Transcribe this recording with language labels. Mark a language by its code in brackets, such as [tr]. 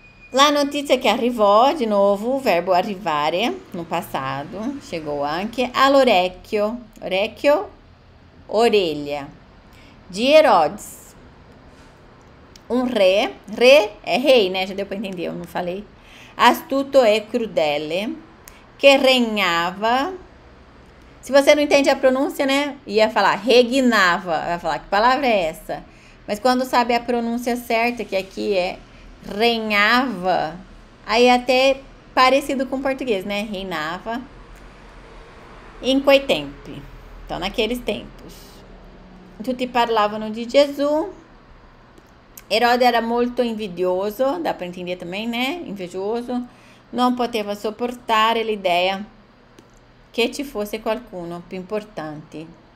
[it] La notizia che arrivò, di nuovo, verbo arrivare, no passato, chegou anche all'orecchio, orecchio, orelha, di Herodes, un re, re è rei, né, già deu per intendere, non falei, astuto e crudele, che regnava. [pt] Se você não entende a pronúncia, né? Ia falar regnava, vai falar que palavra é essa? Mas quando sabe a pronúncia certa, que aqui é regnava, aí até parecido com português, né? Reinava em [it] quei tempi. [pt] Então, naqueles tempos. [it] Tutti parlavano di Gesù. Herode era molto invidioso, [pt] dá para entender também, né? Invejoso. [it] Non poteva sopportare l'idea che ci fosse qualcuno più importante.